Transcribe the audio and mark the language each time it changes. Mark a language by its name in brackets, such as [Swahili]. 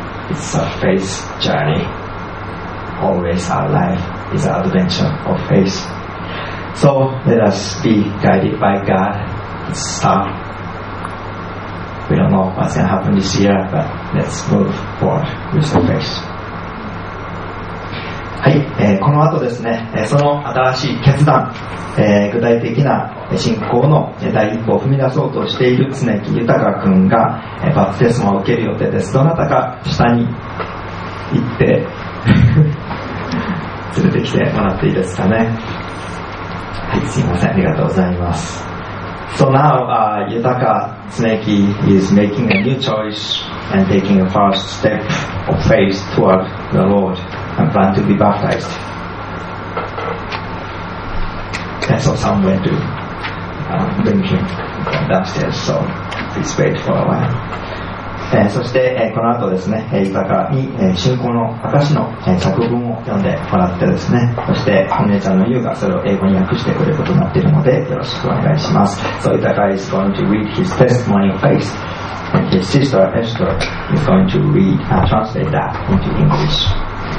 [English] It's a faith journey. Always our life is an adventure of faith. So let us be guided by God. Let's start. We don't know what's going to happen this year, but let's move forward with the faith. [Japanese] はい、この後ですね、その新しい決断、具体的な信仰の第一歩を踏み出そうとしている常木豊君が、バプテスマを受ける予定です。どなたか下に行って連れてきてもらっていいですかね。はい、すいません、ありがとうございます。 [English] So now 豊か常木 is making a new choice and taking a first step of faith toward the Lord. And plan to be baptized. And so some went to bring him downstairs. So please wait for a while. [Japanese] And そしてこの後ですね、豊かに信仰の証の作文を読んでもらってですね、そしてお姉ちゃんの優がそれを英語に訳してくれることになっているので、よろしくお願いします。 [English] So Itaka is going to read his testimony of faith, and his sister Esther is going to read and translate that into English.